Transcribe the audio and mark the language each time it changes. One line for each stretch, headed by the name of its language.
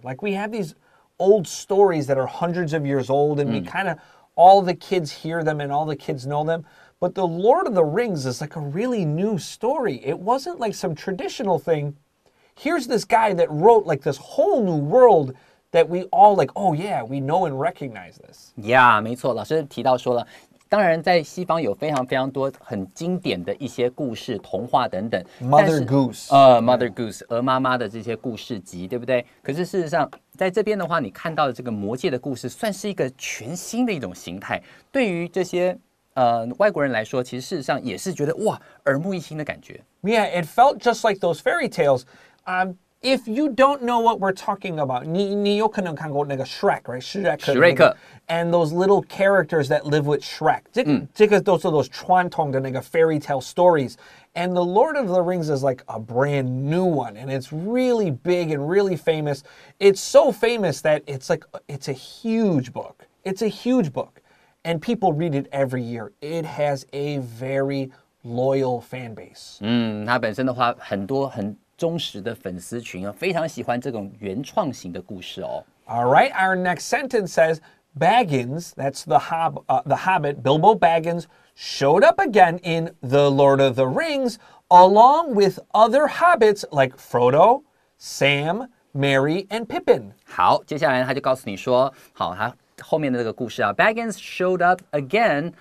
English: Like we have these old stories that are hundreds of years old and we kind of, all the kids hear them and all the kids know them. But the Lord of the Rings is like a really new story. It wasn't like some traditional thing. Here's this guy that wrote like this whole new world,that we all like, oh yeah, we know and recognize this.
Chinese: Yeah, 没错，老师提到说了，当然在西方有非常非常多很经典的一些故事、童话等等。
English: Mother Goose.
Chinese: Mother Goose, 鹅妈妈的这些故事集，对不对？可是事实上，在这边的话，你看到的这个魔戒的故事算是一个全新的一种形态。对于这些外国人来说，其实事实上也是觉得哇，耳目一新的感觉。
English: Yeah, it felt just like those fairy tales. If you don't know what we're talking about,
Chinese: 你有可能看过那个
English: Shrek, right? Shrek. And those little characters that live with Shrek.
Chinese: 这个都是
English: those
Chinese: 传统的那个
English: fairy tale stories. And the Lord of the Rings is like a brand new one. And it's really big and really famous. It's so famous that it's like, it's a huge book. It's a huge book. And people read it every year. It has a very loyal fan base.
Chinese: 它本身的话很多很忠实的粉丝群啊，非常喜欢这种原创型的故事哦。
English: All right, our next sentence says Baggins, that's the Hobbit, Bilbo Baggins, showed up again in The Lord of the Rings along with other hobbits like Frodo, Sam, Merry, and Pippin.
Chinese: 好，接下来他就告诉你说，好，他后面的这个故事啊 ，
English: Baggins showed up again.